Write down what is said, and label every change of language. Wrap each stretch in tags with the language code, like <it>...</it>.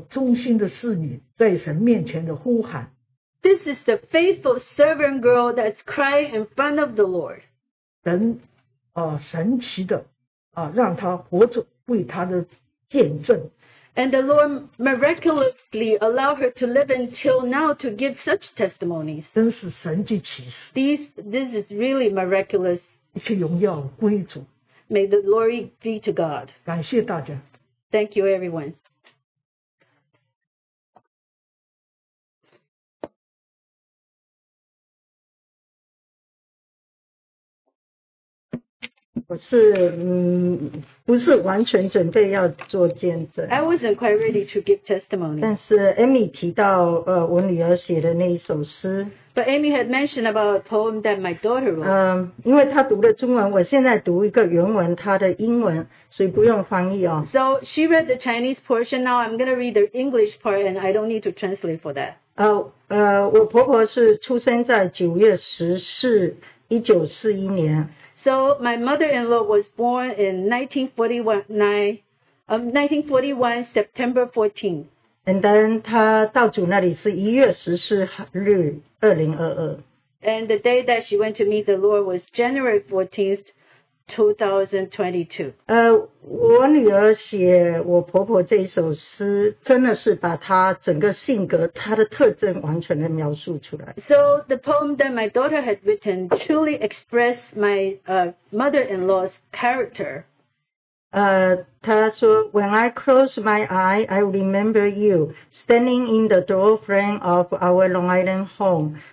<zh>她这个忠心的侍女在神面前的呼喊。</zh> <en>This is the faithful servant girl that's crying in front of the Lord.</en> <zh>神神奇的让她活着为她的见证。</zh> <en>And the Lord miraculously allowed her to live until now to give such testimonies.</en> <zh>真是神迹奇事。</zh> <en>This is really miraculous.</en> <zh>一切荣耀归主。</zh> <en>May the glory be to God.</en> <zh>感谢大家。</zh> <en>Thank you everyone. I wasn't quite ready to give testimony.</en> <zh>但是Amy提到我女儿写的那一首诗。</zh> <en>But Amy had mentioned about a poem that my daughter wrote.</en> <zh>因为她读了中文，我现在读一个原文，她的英文，所以不用翻译哦。</zh> <en>So she read the Chinese portion. Now I'm going to read the English part, and I don't need to translate for that.</en> <zh>我婆婆是出生在9月14, 1941年。</zh> <en>So my mother-in-law was born in 1941, September 14th. And then</en> <zh>她到主那里是1月14日2022.</zh> <en>And the day that she went to meet the Lord was January 14th, 2022.</en> <zh>我女儿写我婆婆这首诗，真的是把她整个性格、她的特征完全的描述出来。</zh> <en>So the poem that my daughter had written truly expressed my mother-in-law's character.</en> <zh>她说,</zh> <en>When I close my eye, I remember you standing in the doorframe of our Long Island home.</en>